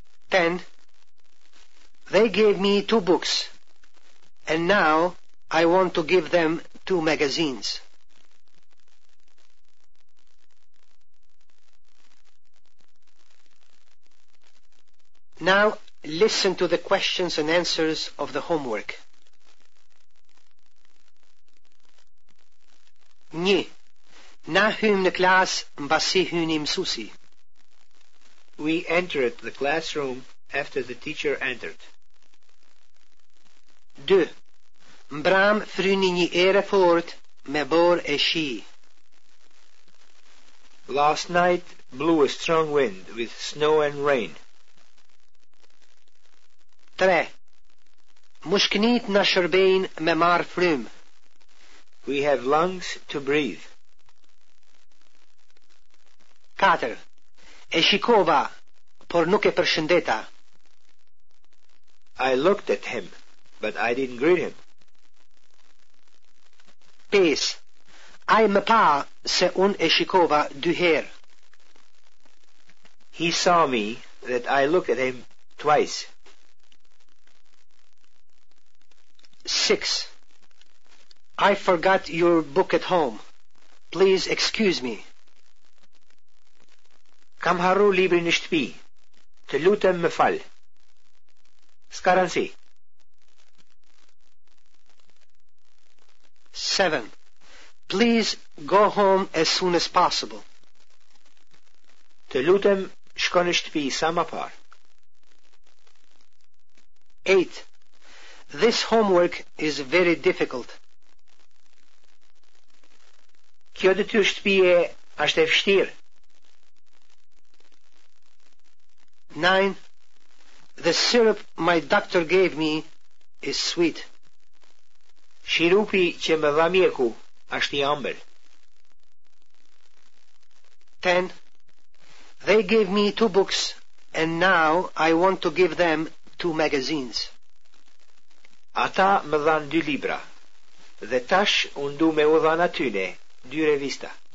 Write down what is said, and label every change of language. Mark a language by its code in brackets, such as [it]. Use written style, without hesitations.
[en] Ten. They gave me two books, and now I want to give them two magazines. 11. Now listen to the questions and answers of the homework. 1. [sq] Na hym në klas mbasi hyni mësuesi. [en] We entered the classroom after the teacher entered. [sq] 2. Mbram fryni një ere fort me bor e shi. [en] Last night blew a strong wind with snow and rain. [sq] 3. Mushknit na shërbejn me marë frym. [en] We have lungs to breathe. 4. [sq] E shikova, por nuk e përshëndeta. [en] I looked at him, but I didn't greet him. 5. [sq] Ai më pa se un e shikova dy herë. [en] He saw me that I looked at him twice. 6. I forgot your book at home. Please excuse me. [sq] Kam harru librin në shtëpi. Të lutem më fal. S'ka rëndsi. [en] 7. Please go home as soon as possible. [sq] Të lutem, shko në shtëpi sa më parë. [en] 8. This homework is very difficult. [sq] Kjo detyrë shtëpie është e vështirë. [en] 9. The syrup my doctor gave me is sweet. [sq] Shirupi që më dha mjeku është i ëmbël. [en] 10. They gave me two books and now I want to give them two magazines. [sq] Ata më dhanë dy libra dhe tash unë du me u dhanë atyne dy revista.